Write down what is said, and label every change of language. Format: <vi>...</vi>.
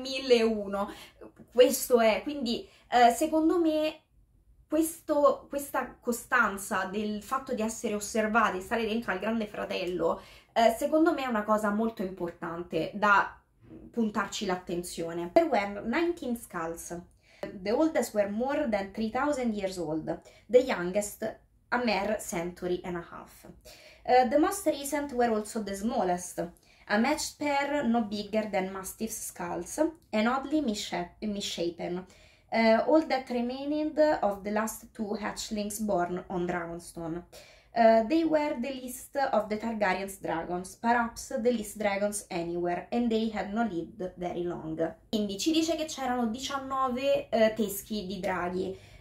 <it>1001, questo è. Quindi secondo me questa costanza del fatto di essere osservati, stare dentro al Grande Fratello, secondo me è una cosa molto importante da puntarci l'attenzione.</it> <en>There were 19 skulls. The oldest were more than 3,000 years old. The youngest, a mere century and a half. The most recent were also the smallest, a matched pair no bigger than mastiff skulls and oddly misshapen. All that remained of the last two hatchlings born on Dragonstone. They were the least of the Targaryen's dragons, perhaps the least dragons anywhere, and they had not lived very long.</en> <it>Quindi ci dice che c'erano 19 teschi di draghi.</it>